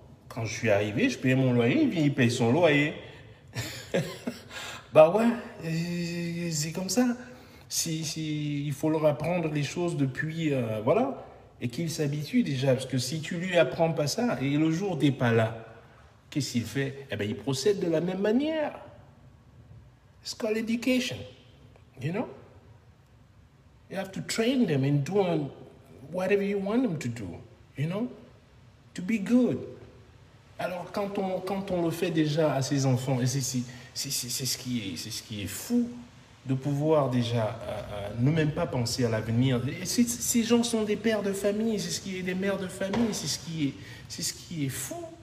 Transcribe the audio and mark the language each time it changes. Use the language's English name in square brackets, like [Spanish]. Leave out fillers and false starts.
[French] Quand je suis arrivé, je payais mon loyer, il paye son loyer. Bah ouais, c'est comme ça. Si, il faut leur apprendre les choses depuis, voilà, et qu'ils s'habituent déjà. Parce que si tu lui apprends pas ça, et le jour t'es pas là, qu'est-ce qu'il fait? Eh bien, il procède de la même manière. [English] It's called education, you know? You have to train them in doing whatever you want them to do, you know? To be good. [French] Alors, quand on le fait déjà à ses enfants, et c'est ce qui est fou de pouvoir déjà ne même pas penser à l'avenir. Ces gens sont des pères de famille, c'est ce qui est des mères de famille, c'est ce qui est fou.